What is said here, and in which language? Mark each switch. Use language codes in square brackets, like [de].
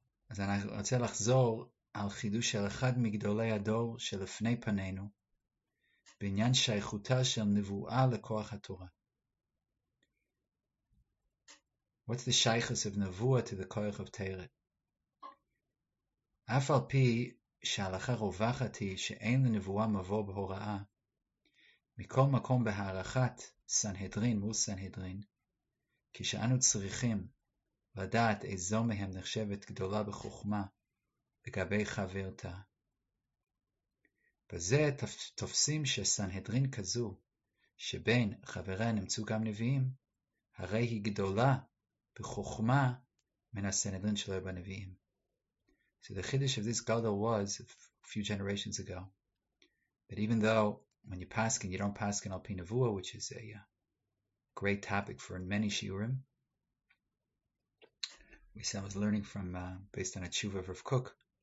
[he] אז אני רוצה לחזור על חידוש של אחד מגדולי הדור שלפני פנינו, בעניין שייכותה של נבואה לכוח התורה. [en] What's the shaykhus of nevuah to the koich of teret? [he] אף על פי שההלכה רווחת היא שאין לנבואה מבוא בהוראה, מכל מקום בהערכת סנהדרין מול סנהדרין, כשאנו צריכים לדעת איזו מהם נחשבת גדולה בחוכמה לגבי חברתה. בזה תופסים שסנהדרין כזו, שבין חבריה נמצאו גם נביאים, הרי היא גדולה בחוכמה מן הסנהדרין שלו בנביאים. [en] So the chiddush of this gadol was a few generations ago, that even though when you paskin, you don't paskin al pi nevuah, which is a great topic for many shiurim. We said I was learning from based on a tshuva of Rav Kook.